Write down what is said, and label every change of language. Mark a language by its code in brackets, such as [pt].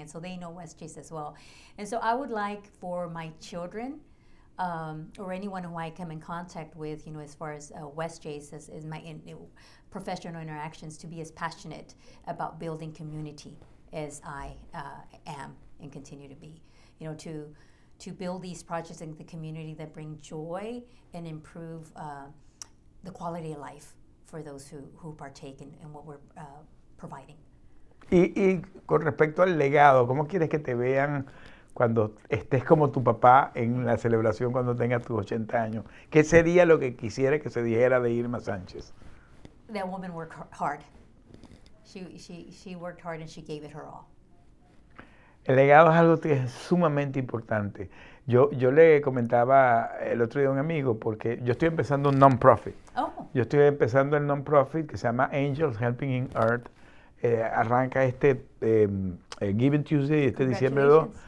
[en] And so they know West Chase as well. And so I would like for my children, or anyone who I come in contact with, you know, as far as West Chase, as my professional interactions, to be as passionate about building community as I am and continue to be, you know, to build these projects in the community that bring joy and improve the quality of life for those who partake in what we're providing. [es] Y con respecto al legado, ¿cómo quieres que te vean cuando estés como tu papá en la celebración cuando tengas tus 80 años? ¿Qué sería lo que quisiera que se dijera de Irma Sánchez? [en] That woman worked hard. She worked hard and she gave it her all. [es] El legado es algo que es sumamente importante. Yo le comentaba el otro día a un amigo, porque yo estoy empezando un non-profit. Yo estoy empezando el non-profit que se llama Angels Helping in Earth. Arranca este Giving Tuesday, este diciembre 2.